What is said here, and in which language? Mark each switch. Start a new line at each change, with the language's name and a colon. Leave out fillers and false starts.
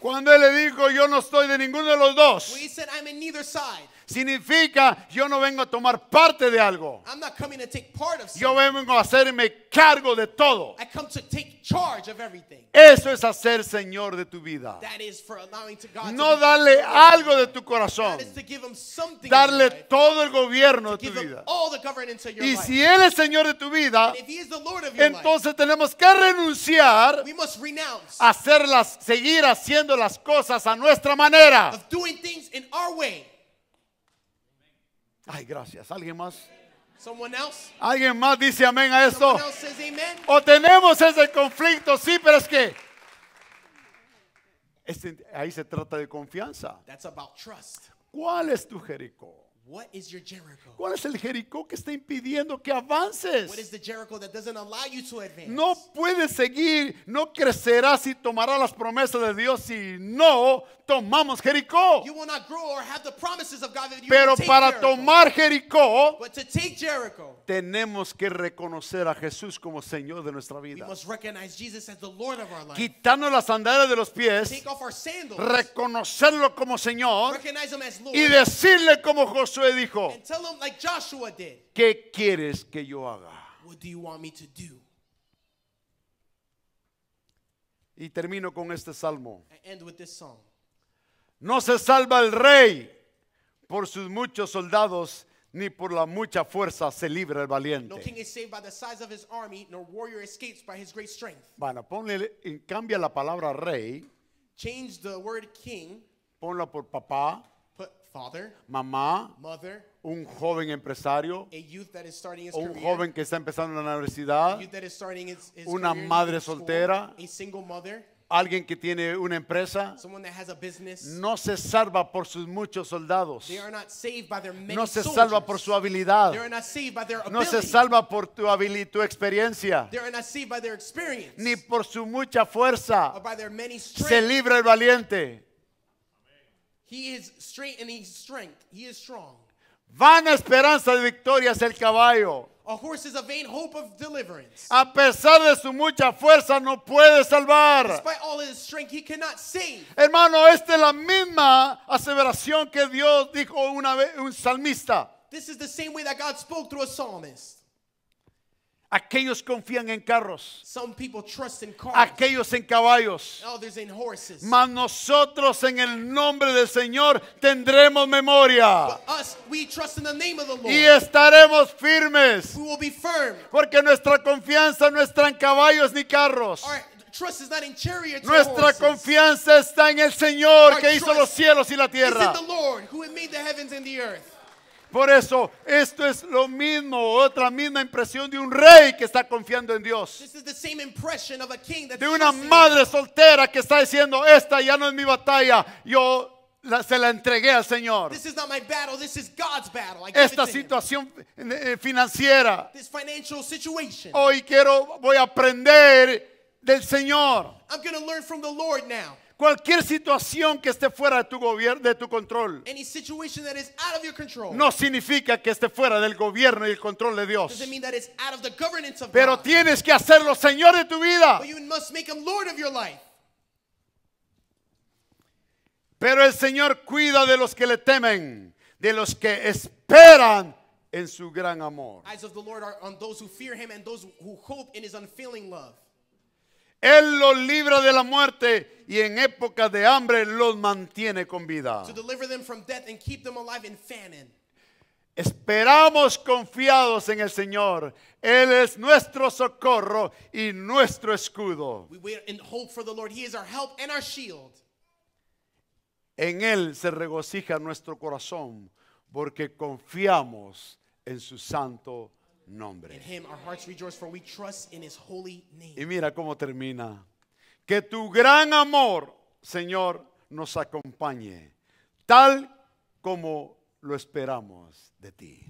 Spanish: Cuando Él le dijo, yo no estoy de ninguno de los dos.
English: When He said, I'm in neither side.
Spanish: Significa, yo no vengo a tomar parte de algo.
English: I'm not coming to take part of something.
Spanish: Yo vengo a hacerme cargo de todo.
English: I come to take charge of everything.
Spanish: Eso es hacer Señor de tu vida.
English: That is for allowing to God
Spanish: no
English: to
Spanish: darle algo de tu corazón.
English: That is to give him something
Spanish: darle
English: in your life.
Spanish: Todo el gobierno
English: to
Spanish: de tu vida.
English: All the governance of your
Spanish: y
English: life.
Spanish: Si Él es Señor de tu vida,
English: if he is the Lord of your
Spanish: entonces
English: life,
Spanish: tenemos que renunciar
English: we must renounce
Spanish: a hacerlas, seguir haciendo las cosas a nuestra manera.
English: Of doing things in our way.
Spanish: Ay, gracias. ¿Alguien más? ¿Alguien más dice amén a esto?
English: Amen.
Spanish: ¿O tenemos ese conflicto? Sí, pero es que ahí se trata de confianza.
English: That's about trust.
Spanish: ¿Cuál es tu Jericó?
English: What is your Jericho?
Spanish: ¿Cuál es el Jericó que está impidiendo que avances?
English: What is the Jericho that doesn't allow you to advance?
Spanish: No puedes seguir, no crecerás y tomarás las promesas de Dios si no tomamos Jericó.
English: You will not grow or have the promises of God if you don't.
Spanish: Pero para tomar Jericó,
English: but to take Jericho,
Spanish: tenemos que reconocer a Jesús como Señor de nuestra vida.
English: We must recognize Jesus as the Lord of our life.
Spanish: Quitando las sandalias de los pies,
English: take off our sandals,
Spanish: reconocerlo como Señor,
English: recognize him as Lord,
Spanish: y decirle como Josué dijo,
English: and tell him like Joshua did,
Spanish: ¿qué quieres que yo haga?
English: What do you want me to do?
Spanish: Y termino con este salmo.
English: I end with this song.
Spanish: No se salva el rey por sus muchos soldados, ni por la mucha fuerza se libra el valiente.
English: No king is saved by the size of his army, nor warrior escapes by his great strength.
Spanish: Bueno, ponle, cambia la palabra rey.
English: Change the word king.
Spanish: Ponla por papá.
English: Put father.
Spanish: Mamá.
English: Mother.
Spanish: Un joven empresario.
English: A youth that is starting his
Spanish: un
English: career.
Spanish: Joven que está empezando en la universidad.
English: A youth that is starting his career.
Spanish: Una madre soltera.
English: A single mother.
Spanish: Alguien que tiene una empresa.
English: Someone that has a business.
Spanish: No se salva por sus muchos soldados.
English: They are not saved by their many
Spanish: no se
English: soldiers.
Spanish: Salva por su habilidad.
English: They are not saved by their ability.
Spanish: No se salva por tu habilidad, tu experiencia.
English: They are not saved by their experience.
Spanish: Ni por su mucha fuerza.
English: Or by their many strength.
Spanish: Se libra el valiente.
English: He is straight and he's strength. He is strong.
Spanish: Vana esperanza de victoria es el caballo.
English: A horse is a vain hope of deliverance.
Spanish: A pesar de su mucha fuerza, no puede salvar.
English: Despite all his strength, he cannot save.
Spanish: Hermano, esta es la misma aseveración que Dios dijo una vez un salmista.
English: This is the same way that God spoke through a psalmist.
Spanish: Aquellos confían en carros.
English: Some people trust in cars.
Spanish: Aquellos en caballos.
English: Others in horses.
Spanish: Mas nosotros en el nombre del Señor tendremos memoria.
English: But us, we trust in the name of the Lord.
Spanish: Y estaremos firmes.
English: We will be firm.
Spanish: Porque nuestra confianza no está en caballos ni carros.
English: Trust is not in chariots.
Spanish: Nuestra
English: horses.
Spanish: Confianza está en el Señor que hizo los cielos y la tierra.
English: Is in the Lord who had made the heavens and the earth.
Spanish: Por eso, esto es lo mismo, otra misma impresión de un rey que está confiando en Dios.
English: This is the same impression of a king that's
Spanish: de una madre soltera que está diciendo, esta ya no es mi batalla, yo se la entregué al Señor.
English: This is not my battle, this is God's battle. I
Spanish: esta situación financiera.
English: This financial situation.
Spanish: Hoy quiero, voy a aprender del Señor.
English: I'm going to learn from the Lord now.
Spanish: Cualquier situación que esté fuera de tu gobierno, de tu control,
English: any situation that is out of your control,
Spanish: no significa que esté fuera del gobierno y el control de Dios.
English: Does it mean that it's out of the governance of
Spanish: pero
English: God?
Spanish: Tienes que hacerlo Señor de tu vida.
English: But you must make him Lord of your life.
Spanish: Pero el Señor cuida de los que le temen, de los que esperan en su gran amor.
English: Eyes of the Lord are on those who fear him and those who hope in his unfailing love.
Spanish: Él los libra de la muerte y en época de hambre los mantiene con vida.
English: To deliver them from death and keep them alive in famine.
Spanish: Esperamos confiados en el Señor. Él es nuestro socorro y nuestro escudo.
English: We wait in hope for the Lord. He is our help and our shield.
Spanish: En Él se regocija nuestro corazón porque confiamos en su santo nombre.
English: In him our hearts rejoice, for we trust in his holy name.
Spanish: Y mira cómo termina. Que tu gran amor, Señor, nos acompañe, tal como lo esperamos de ti.